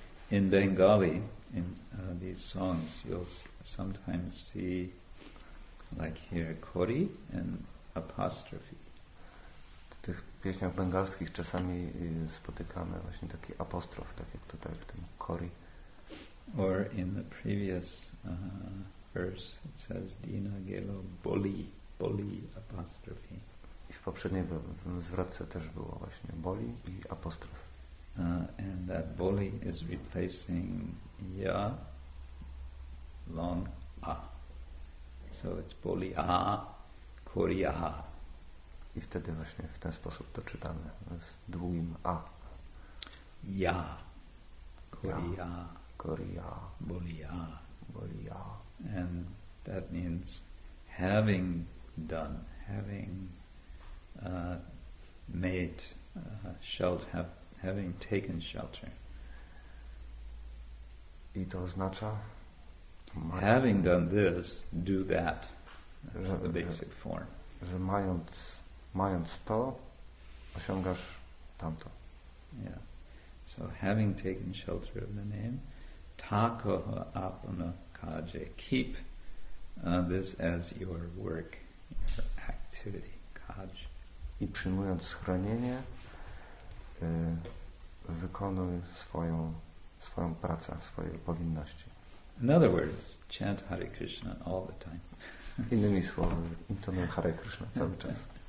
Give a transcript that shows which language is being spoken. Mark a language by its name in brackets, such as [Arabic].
[English] In Bengali, in these songs, you'll sometimes see like here kuri and apostrophe. [Polish] W tych pieśniach bengalskich czasami spotykamy właśnie taki apostrof, tak jak tutaj w tym kori. [English] Or in the previous verse it says [Bangla] dina gelo boli, [English] boli apostrofi. [Polish] I w poprzedniej zwrotce też było właśnie boli i apostrof. [English] And that boli is replacing ja long a. So it's boli a, kori a. [Polish] I wtedy właśnie w ten sposób to czytamy z długim A. Ja. Korea. Korea. Bolia. Bolia. [English] And that means having done, having made shelter, having taken shelter. [Polish] I to oznacza? [English] Having done this, do that. That's the basic form. [Polish] Że mając to, osiągasz tamto. [English] Yeah. So having taken shelter of the name, [Bangla] takoha apana kaje, [English] keep this as your work, your activity, kaj. [Polish] I przyjmując schronienie, wykonuj swoją pracę, swoje powinności. [English] In other words, chant Hare Krishna all the time. [Polish] Innymi słowy, intonuj Hare Krishna cały czas.